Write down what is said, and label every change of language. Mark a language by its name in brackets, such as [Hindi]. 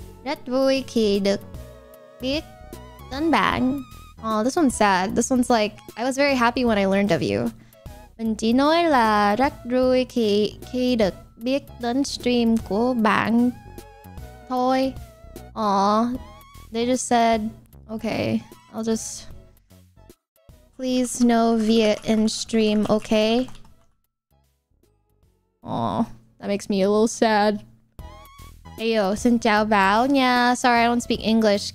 [Vietnamese] Rất vui khi được biết Dân Bang. [English] Oh, this one's sad. This one's like, I was very happy when I learned of you. [Vietnamese] Mình chỉ nói là rất vui khi được biết đến stream của bạn thôi. [English] Aw, they just said, okay, I'll just... Please no Viet in stream, okay? Aw, that makes me a little sad. Hey yo, [Vietnamese] Xin Chao [English] Bao. Yeah, sorry, I don't speak English.